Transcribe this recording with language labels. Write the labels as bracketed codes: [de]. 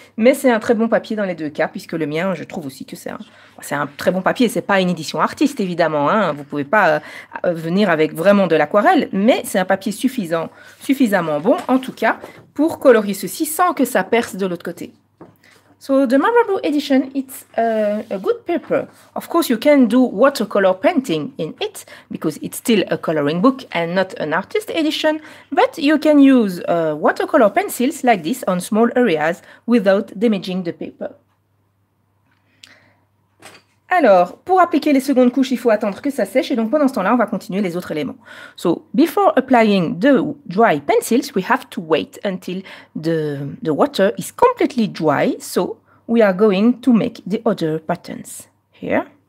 [fr] Mais c'est un très bon papier dans les deux cas, puisque le mien, je trouve aussi que c'est un très bon papier. Ce n'est pas une édition artiste, évidemment. Hein. Vous ne pouvez pas venir avec vraiment de l'aquarelle. Mais c'est un papier suffisamment bon, en tout cas, pour colorier ceci sans que ça perce de l'autre côté. [en] So the Marabou edition, it's a good paper. Of course, you can do watercolor painting in it because it's still a coloring book and not an artist edition. But you can use watercolor pencils like this on small areas without damaging the paper. [fr] Alors, pour appliquer les secondes couches, il faut attendre que ça sèche. Et donc, pendant ce temps-là, on va continuer les autres éléments. [en] So, before applying the dry pencils, we have to wait until the water is completely dry. So, we are going to make the other patterns here.